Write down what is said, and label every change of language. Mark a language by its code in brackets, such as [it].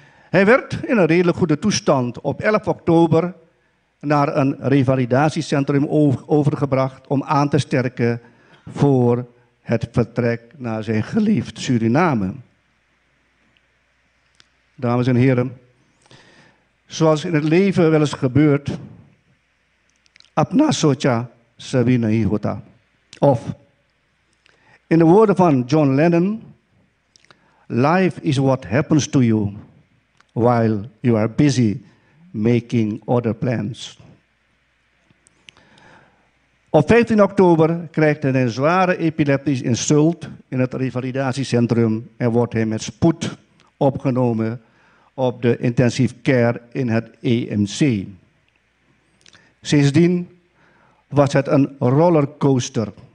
[nl] Hij werd in een redelijk goede toestand op 11 oktober naar een revalidatiecentrum overgebracht om aan te sterken voor het vertrek naar zijn geliefd Suriname. Dames en heren, zoals in het leven wel eens gebeurt, [hns] apnasocha sabinaihota. [nl] Of, in de woorden van [en] John Lennon, life is what happens to you while you are busy making other plans. [nl] Op 15 oktober krijgt hij een zware epileptisch insult in het revalidatiecentrum en wordt hij met spoed opgenomen op de intensive care in het EMC. Sindsdien was het een rollercoaster.